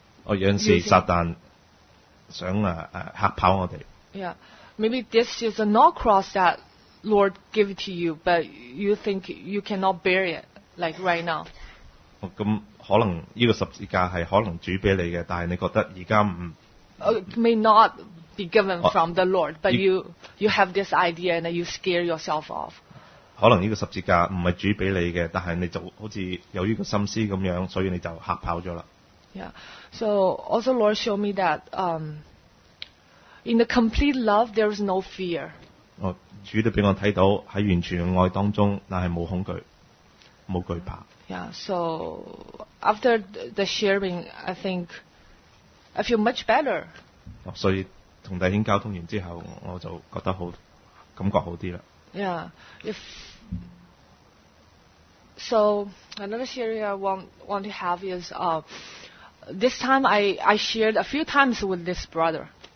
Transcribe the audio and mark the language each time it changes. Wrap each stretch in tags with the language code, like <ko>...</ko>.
<yue>有阵时撒旦想吓跑我哋。</yue> <en>Yeah. Maybe this is a not cross that Lord gave to you, but you think you cannot bear it, like right now.</en> <yue>咁可能呢个十字架系可能主俾你嘅，但系你觉得而家唔。</yue> <en>May not be given from the Lord, but you have this idea and you scare yourself off.</en> <yue>可能呢个十字架唔系主俾你嘅，但系你就好似有呢个心思咁样，所以你就吓跑咗啦。</yue> <en>Yeah. So also, Lord showed me that. In the complete love, there is no fear.</en> <yue>主都俾我睇到喺完全嘅爱当中，那系冇恐惧，冇惧怕。</yue> <en>Yeah, so after the sharing, I think I feel much better.</en> <yue>所以同弟兄交通完之后，我就觉得好感觉好啲啦。</yue> <en>Yeah, if so, another sharing I want to have is this time I shared a few times with this brother.</en>